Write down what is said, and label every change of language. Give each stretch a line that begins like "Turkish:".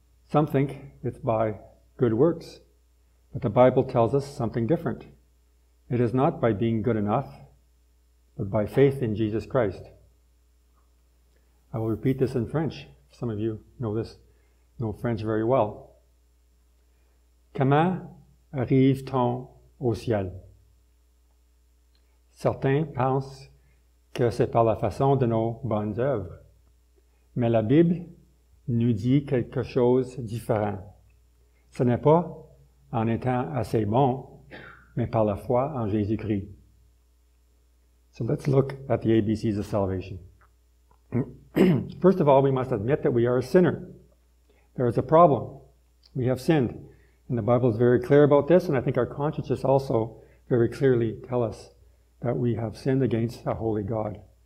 English: Some think it's by good works, but the Bible tells us something different. It is not by being good enough, but by faith in Jesus Christ. I will repeat this in French. Some of you know this, know French very well.
French: Comment arrive-t-on au ciel? Certains pensent que c'est par la façon de nos bonnes œuvres. Mais la Bible nous dit quelque chose de différent. Ce n'est pas en étant assez bon, mais par la foi en Jésus-Christ.
English: So let's look at the ABCs of salvation. First of all, we must admit that we are a sinner. There is a problem. We have sinned. And the Bible is very clear about this, and I think our consciences also very clearly tell us that we have sinned against a holy God.